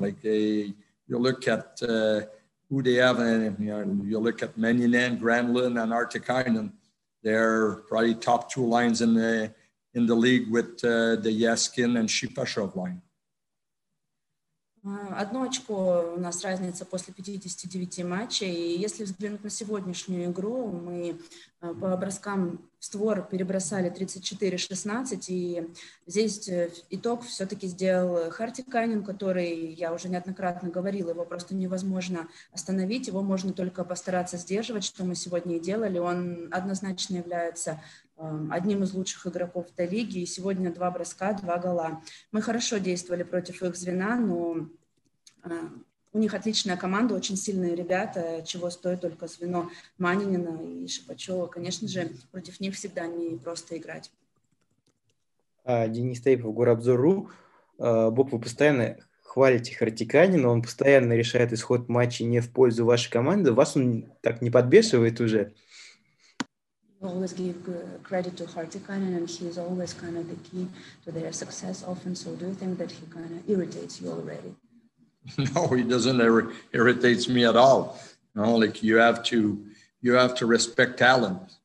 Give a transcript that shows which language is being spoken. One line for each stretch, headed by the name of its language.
English: Like you look at who they have, and you know, you look at Manninen, Granlund, and Artikainen. They're probably top 2 lines in the league with the Yaskin and Shipashov line.
Russian: Одно очко у нас разница после 59 матчей. И если взглянуть на сегодняшнюю игру, мы по броскам в створ перебросали 34-16. И здесь итог все-таки сделал Хартикайнен, который, я уже неоднократно говорила, его просто невозможно остановить. Его можно только постараться сдерживать, что мы сегодня и делали. Он однозначно является одним из лучших игроков этой лиги. И сегодня 2 броска, 2 гола. Мы хорошо действовали против их звена, но у них отличная команда, очень сильные ребята, чего стоит только звено Манинина и Шипачева. Конечно же, против них всегда не просто играть. Денис Тейпов, Горобзор.ру. Боб, вы постоянно хвалите Хартиканина, но он постоянно решает исход матча не в пользу вашей команды. Вас он так не подбешивает уже?
English: Always give credit to Hartikainen, and he is always kind of the key to their success often. So do you think that he kind of irritates you already? No, he doesn't irritate me at all. You know, like you have to respect talent.